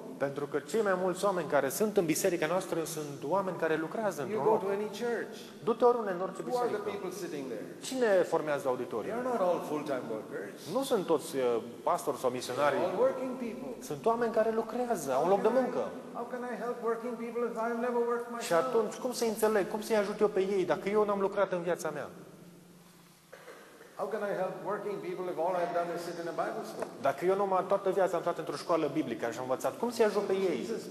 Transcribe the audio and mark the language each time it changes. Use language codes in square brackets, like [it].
[ro] Pentru că cei mai mulți oameni care sunt în biserica noastră sunt oameni care lucrează într-un loc. [en] You go to any church. [ro] Du-te oriunde în orice biserică. [en] Who are the people sitting there? [ro] Cine formează auditoriul? [en] They are not all full-time workers. [ro] Nu sunt toți pastori sau misionari. [en] They are all working people. [ro] Sunt oameni care lucrează, au un loc de muncă. [en] How can I help working people if I've never worked myself? [ro] Și atunci cum să-i înțeleg, cum să-i ajut eu pe ei dacă eu n-am lucrat în viața mea? [en] How can I help working people if all I've done is sit in a Bible school? [ro] Dacă eu numai toată viața am stat într-o școală biblică și am învățat, cum să-i ajut pe ei?